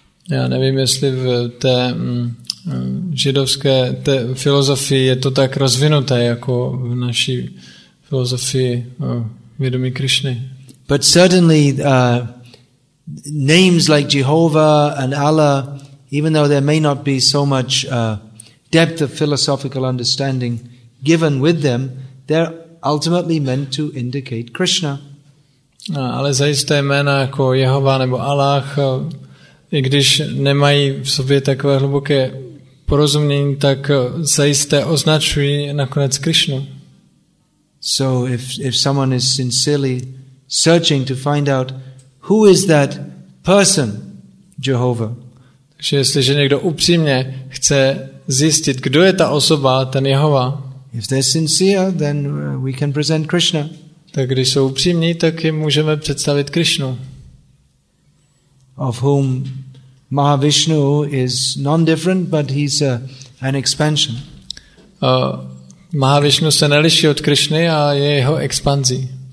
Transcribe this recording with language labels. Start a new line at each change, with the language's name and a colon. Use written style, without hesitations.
Czech: Já nevím, jestli v té židovské té filozofii je to tak rozvinuté jako v naší filozofii vědomí Krišny.
English: But certainly names like Jehovah and Allah, even though there may not be so much depth of philosophical understanding given with them, they're ultimately meant to indicate Krishna.
Czech: Ale zajisté jména jako Jehova nebo Allah, i když nemají v sobě takové hluboké porozumění, tak zajisté označují nakonec Krishnu.
English: So if someone is sincerely searching to find out who is that person, Jehovah.
Czech: Takže jestliže někdo upřímně chce zjistit, kdo je ta osoba, ten Jehova.
English: If they're sincere, then we can present Krishna.
Czech: Tak když jsou upřímní, tak jim můžeme představit Krishnu.
English: Of whom Mahavishnu is non-different, but he's an expansion.
Czech: Mahavishnu se neliší od Krishny a je jeho expanzí.